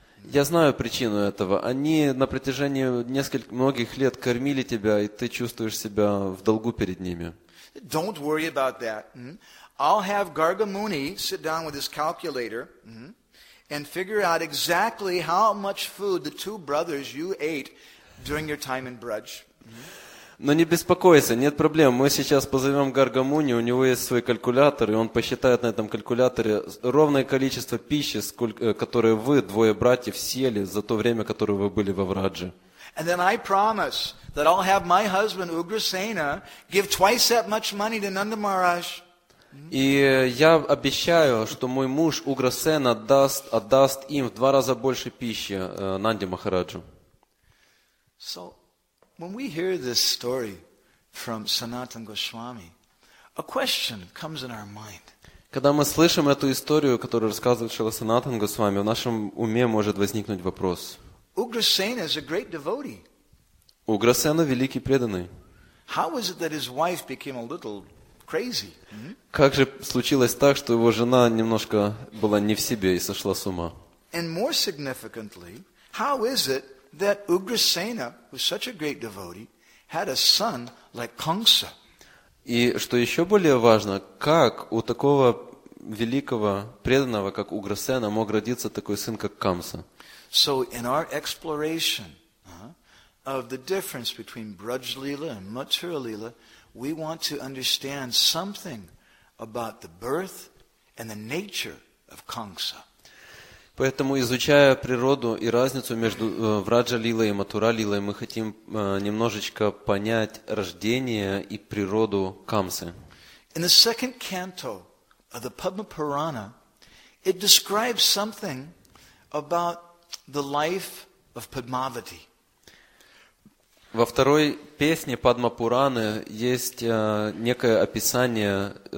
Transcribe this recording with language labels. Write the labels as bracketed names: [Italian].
[Russian] Я знаю причину этого. Они на протяжении нескольких многих лет кормили тебя, и ты чувствуешь себя в долгу перед ними. [English] Don't worry about that. I'll have Gargamuni sit down with his calculator and figure out exactly how much food the two brothers you ate during your time in Braj. [Russian] Но не беспокойся, нет проблем. Мы сейчас позовем Гаргамуни, у него есть свой калькулятор, и он посчитает на этом калькуляторе ровное количество пищи, которое вы, двое братьев, съели за то время, которое вы были во Врадже. [English] And then I promise that I'll have my husband, Ugrasena, give twice that much money to Nanda Maharaj. [Russian] И я обещаю, что мой муж, Ugrasena, отдаст им в два раза больше пищи Нанде Махараджу. [English] So, when we hear this story from Sanatan Goswami, a question comes in our mind. [Russian] Когда мы слышим эту историю, которую рассказывает Шрила Санатан Госвами, в нашем уме может возникнуть вопрос. [English] Ugrasena is a great devotee. [Russian] Ugrasena великий преданный. [English] How is it that his wife became a little crazy? [Russian] Как же случилось так, что его жена немножко была не в себе и сошла с ума? [English] And more significantly, how is it that Ugrasena, who's such a great devotee, had a son like Kamsa? [Russian] И что еще более важно, как у такого великого преданного, как Ugrasena, мог родиться такой сын, как Камса? [English] So in our exploration of the difference between Brajlila and Mathuralila, we want to understand something about the birth and the nature of Kamsa. [Russian] Поэтому, изучая природу и разницу между Враджа-лилой и Матура-лилой, мы хотим немножечко понять рождение и природу Камсы. [English] In the second canto of the Padma Purana, it describes something about the life of Padmavati. [Russian] Во второй песне Падма Пураны есть некое описание